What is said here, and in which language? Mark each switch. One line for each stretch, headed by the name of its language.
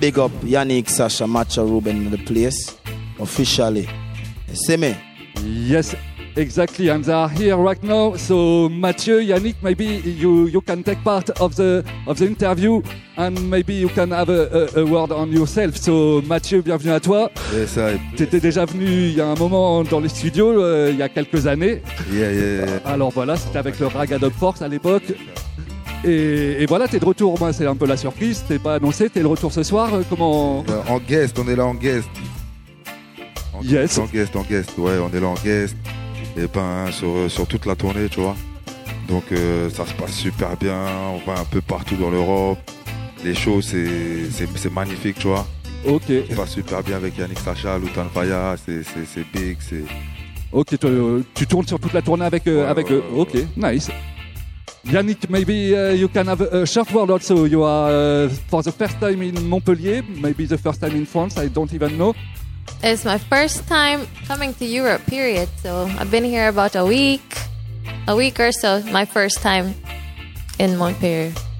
English: big up Yannick, Sasha, Macho, Ruben in the place officially. You see me? Yes, exactly. And they are here right now. So Mathieu, Yannick, maybe you can take part of the interview and maybe you can have a word on yourself.
French: So Mathieu, bienvenue à toi.
English: Yes, I.
French: Tu étais déjà venu il y a un moment dans les studios, il y a quelques années.
English: Yeah.
French: Alors voilà, c'était avec le Ragga Dub Force à l'époque. Et voilà, t'es de retour, moi, c'est un peu la surprise, t'es pas annoncé, t'es le retour ce soir, comment... En guest, on est là en guest.
English: Yes.
French: En guest, ouais, on est là en guest. Et ben, sur toute la tournée, tu vois. Donc, ça se passe super bien, on va un peu partout dans l'Europe. Les shows, c'est magnifique, tu vois. Ok. Ça se passe super bien avec Yannick Sacha, Lutan Faya, c'est big, c'est... Ok, tu tournes sur toute la tournée avec... Ouais, avec ouais.
English: Ok, nice. Yannick, maybe you can have a short word also. You are for the first time in Montpellier, maybe the first time in France, I don't even know. It's my first time coming to Europe, period. So I've been here about a week or so, my first time in Montpellier.